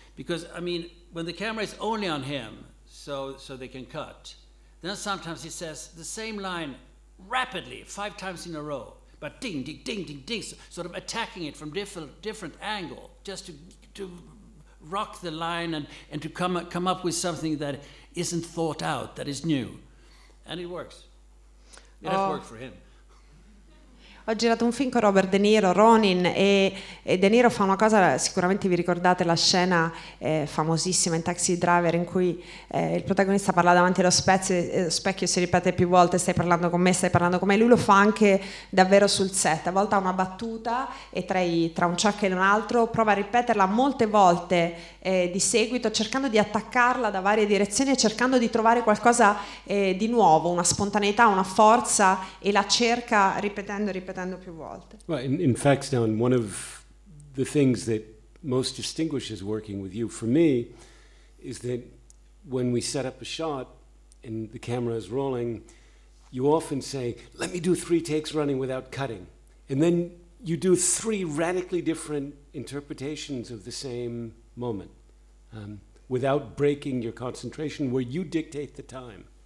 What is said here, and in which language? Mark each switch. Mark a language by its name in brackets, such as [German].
[English] Because, I mean, when the camera is only on him, so they can cut, then sometimes he says the same line rapidly, 5 times in a row, but ding, ding, ding, ding, ding, sort of attacking it from different angle, just to rock the line and to come up with something that isn't thought out, that is new. And it works. It has worked for him. [Italian] Ho girato un film con Robert De Niro, Ronin, e De Niro fa una cosa, sicuramente vi ricordate la scena famosissima in Taxi Driver in cui il protagonista parla davanti allo specchio e si ripete più volte, stai parlando con me, stai parlando con me. Lui lo fa anche davvero sul set, a volte ha una battuta e tra un ciak e un altro prova a ripeterla molte volte di seguito, cercando di attaccarla da varie direzioni e cercando di trovare qualcosa di nuovo, una spontaneità, una forza, e la cerca ripetendo più volte. [English] Well, in fact, Stellan, one of the things that most distinguishes working with you for me is that when we set up a shot and the camera is rolling, you often say, let me do 3 takes running without cutting. And then you do 3 radically different interpretations of the same moment without breaking your concentration, where you dictate the time.